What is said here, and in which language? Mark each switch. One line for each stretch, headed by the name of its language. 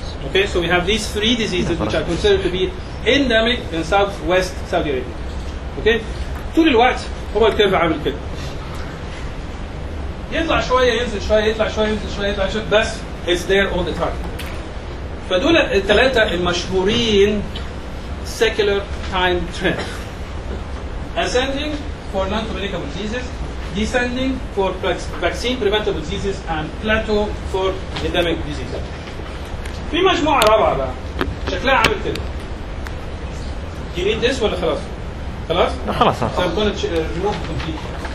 English: Okay, so we have these three diseases which are considered to be endemic in southwest Saudi Arabia.
Arabic: Okay, طول الوقت هو الكيرف عامل كده يطلع شوية ينزل شوية بس
English: it's there all the time.
Arabic: فدول الثلاثة المشهورين
English: secular time trend. Ascending for non-communicable diseases, descending for vaccine preventable diseases, and plateau for endemic diseases.
Arabic: في مجموعة رابعة بقى شكلها عامل كده.
English: You need this
Arabic: ولا خلاص؟ خلاص؟ خلاص.
English: So I'm going to remove completely.